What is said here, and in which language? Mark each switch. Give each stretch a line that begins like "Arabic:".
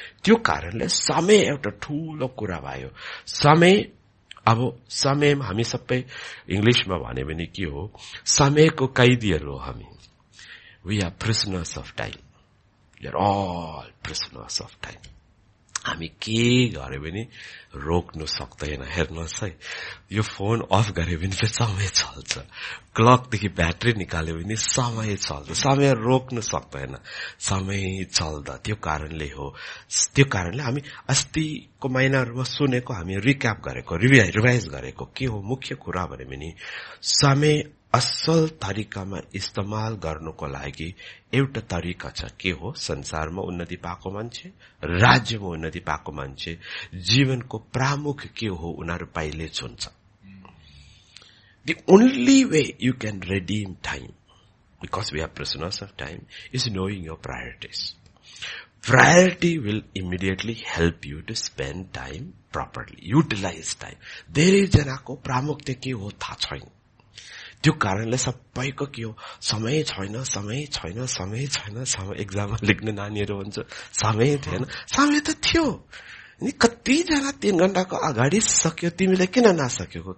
Nepali: त्यो कारणले समय एउटा ठूलो कुरा भयो। समय, अब समय हामी सबै इङ्ग्लिसमा भने पनि के हो, समयको कैदीहरू हो हामी,
English: we are prisoners of time,
Nepali: we are all prisoners of time. हामी के गरे पनि रोक्नु सक्दैन। हेर्नुहोस् है, यो फोन अफ गरे पनि समय चल्छ, क्लकदेखि ब्याट्री निकाल्यो भने समय चल्छ, समय रोक्नु सक्दैन, समय चल्दा। त्यो कारणले हो, त्यो कारणले हामी अस्तिको महिनाहरूमा सुनेको, हामी रिक्याप गरेको, रिभाइज गरेको के हो मुख्य कुरा भने पनि, समय असल तरिकामा इस्तेमाल गर्नुको लागि एउटा तरिका छ। के हो? संसारमा उन्नति पाएको मान्छे, राज्यमा उन्नति पाएको मान्छे, जीवनको प्रामुख के हो उनीहरू पहिले चुन्छ।
English: The only way you can redeem time, because we are prisoners of time, is knowing your priorities. Priority will immediately help you to spend time properly, utilize time.
Nepali: धेरैजनाको प्रामुख्य के हो थाहा छैन, त्यो कारणले सबैको के हो, समय छैन, समय छैन, समय छैन, समय एक्जाम लेख्ने नानीहरू हुन्छ, समय थिएन, समय त थियो नि, कतिजना 3 घण्टाको अगाडि सक्यो, तिमीले किन नसकेको?